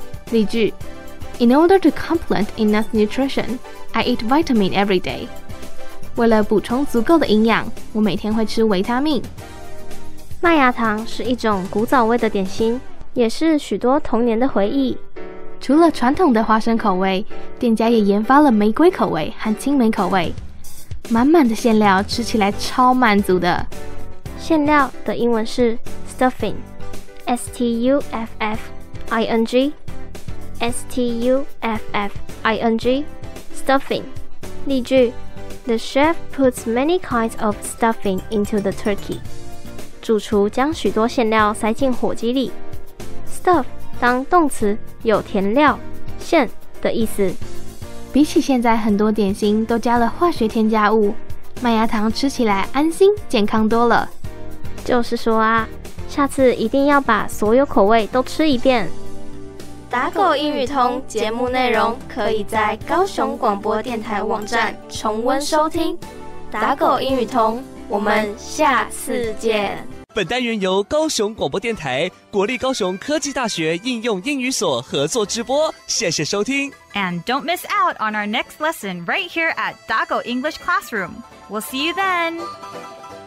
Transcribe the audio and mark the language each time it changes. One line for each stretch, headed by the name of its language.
Chinese: 例句
English: In order to complement enough nutrition,I eat vitamin every day.
Chinese: 为了补充足够的营养，我每天会吃维他命。麦芽糖是一种古早味的点心，也是许多童年的回忆。除了传统的花生口味，店家也研发了玫瑰口味和青梅口味。满满的馅料，吃起来超满足的。馅料的英文是 stuffing, S-T-U-F-F-I-N-G, S-T-U-F-F-I-N-G.
English: Stuffing.
Chinese: 例句
English: The chef puts many kinds of stuffing into the turkey.
Chinese: 主厨将许多馅料塞进火鸡里。Stuff 当动词有填料、馅的意思。比起现在很多点心都加了化学添加物，麦芽糖吃起来安心、健康多了。就是说啊，下次一定要把所有口味都吃一遍。打狗英语通节目内容可以在高雄广播电台网站重温收听。打狗英语通，我们下次见。本单元由高雄广播电台、国立高雄科技大学应用英语所合作直播，谢谢收听。
English: And don't miss out on our next lesson right here at 打狗 English Classroom. We'll see you then.